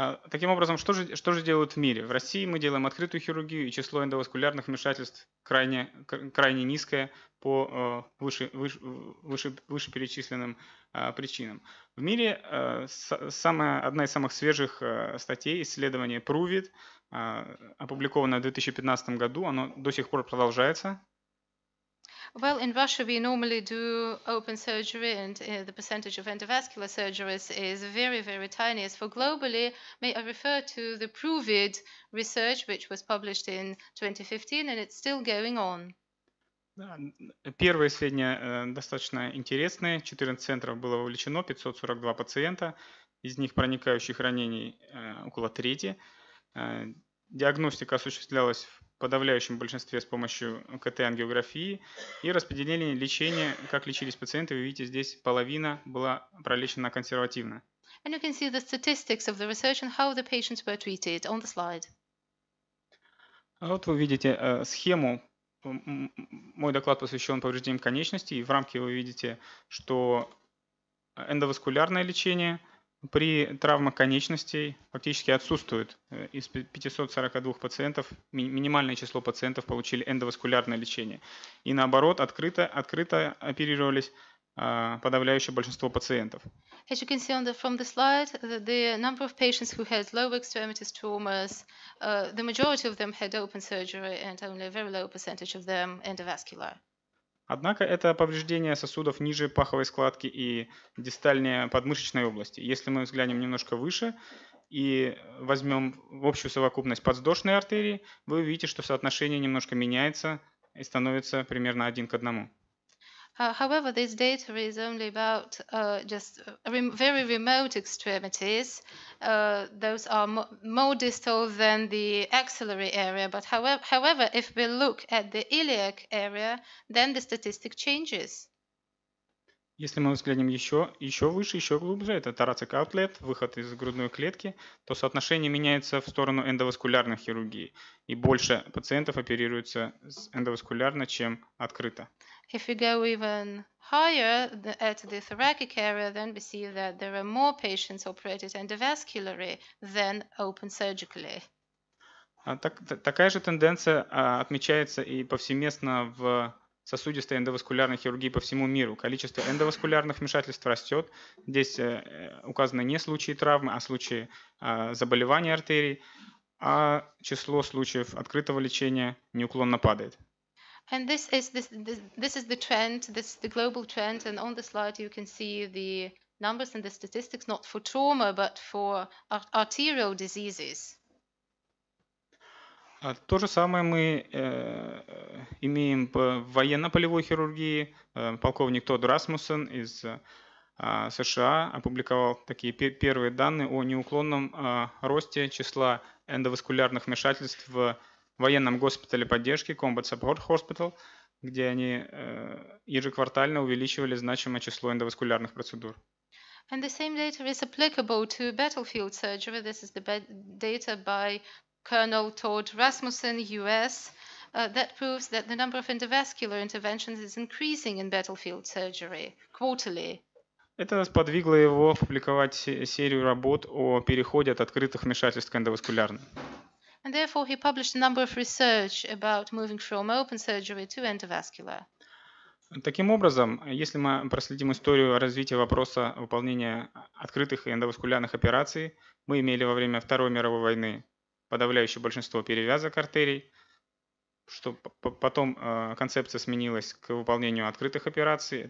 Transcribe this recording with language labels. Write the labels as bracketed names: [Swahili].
[Russian] Таким образом, что же делают в мире? В России мы делаем открытую хирургию, и число эндоваскулярных вмешательств крайне низкое по вышеперечисленным причинам. В мире одна из самых свежих статей, исследование PROVIT, опубликованное в 2015 году, оно до сих пор продолжается. [English] Well, in Russia we normally do open surgery, and the percentage of endovascular surgeries is very, very tiny. As for globally, may I refer to the PROVID research, which was published in 2015, and it's still going on. [Russian] Первые сведения достаточно интересные. 14 центров было вовлечено, 542 пациента, из них проникающих ранений около трети. Диагностика осуществлялась в подавляющем большинстве с помощью КТ-ангиографии, и распределение лечения, как лечились пациенты, вы видите, здесь половина была пролечена консервативно. [English] And you can see the statistics of the research and how the patients were treated on the slide. [Russian] Вот вы видите схему. Мой доклад посвящен повреждениям конечностей, и в рамке вы видите, что эндоваскулярное лечение при травмах конечностей фактически отсутствует. Из 542 пациентов минимальное число пациентов получили эндоваскулярное лечение. И наоборот, открыто оперировались подавляющее большинство пациентов. [English] As you can see on the, from the slide, the number of patients who had lower extremities tumors, the majority of them had open surgery, and only a very low percentage of them endovascular. [Russian] Однако это повреждение сосудов ниже паховой складки и дистальной подмышечной области. Если мы взглянем немножко выше и возьмем общую совокупность подвздошной артерии, вы увидите, что соотношение немножко меняется и становится примерно 1:1. [English] However, this data is only about just very remote extremities. Those are more distal than the axillary area. But however, if we look at the iliac area, then the statistic changes. [Russian] Если мы взглянем еще выше, еще глубже, это thoracic outlet, выход из грудной клетки, то соотношение меняется в сторону эндоваскулярной хирургии, и больше пациентов оперируется эндоваскулярно, чем открыто. [English] If we go even higher at the thoracic area, then we see that there are more patients operated endovascularly than open surgically. [Russian] Такая же тенденция отмечается и повсеместно в сосудистой эндоваскулярной хирургии по всему миру. Количество эндоваскулярных вмешательств растет. Здесь указаны не случаи травмы, а случаи заболевания артерий, а число случаев открытого лечения неуклонно падает. [English] And this is the trend, this is the global trend, and on the slide you can see the numbers and the statistics not for trauma, but for arterial diseases. [Russian] То же самое мы имеем в военно-полевой хирургии. Полковник Тодд Расмуссен из США опубликовал такие первые данные о неуклонном росте числа эндоваскулярных вмешательств в военном госпитале поддержки Combat Support Hospital, где они ежеквартально увеличивали значимое число эндоваскулярных процедур. [English] And the same data is applicable to battlefield surgery. This is the data by Colonel Todd Rasmussen, US, that proves that the number of endovascular interventions is increasing in battlefield surgery quarterly. [Russian] Это сподвигло его опубликовать серию работ о переходе от открытых вмешательств к эндоваскулярным. [English] And therefore he published a number of research about moving from open surgery to endovascular. [Russian] Таким образом, если мы проследим историю развития вопроса выполнения открытых и эндоваскулярных операций, мы имели во время Второй мировой войны подавляющее большинство перевязок артерий, что потом концепция сменилась к выполнению открытых операций.